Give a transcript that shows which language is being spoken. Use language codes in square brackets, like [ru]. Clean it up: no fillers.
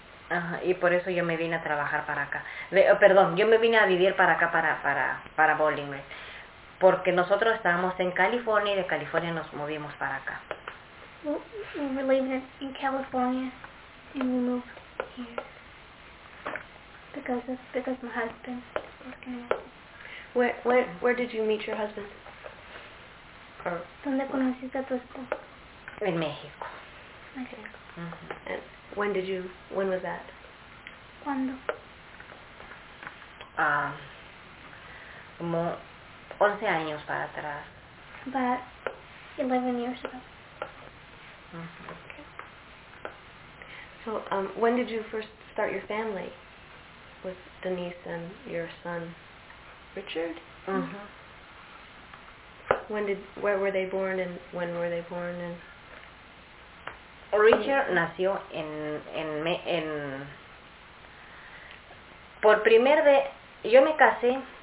[es] Ajá, y por eso yo me vine a trabajar para acá. Perdón, yo me vine a vivir para acá, para Bowling Green. Porque nosotros estábamos en California y de California nos movimos para acá. [en] We were living in California and we moved here. Because my husband is working. Where did you meet your husband? [es] ¿Dónde conociste a tu esposo? En México. [en] When did you, when was that? [es] ¿Cuándo? Como 11 años para atrás. [en] About 11 years ago. Mm-hmm. Okay. So, when did you first start your family? With Denise and your son, Richard? Mm-hmm. Where were they born and when were they born and? [es] Richard nació en por primer de yo me casé.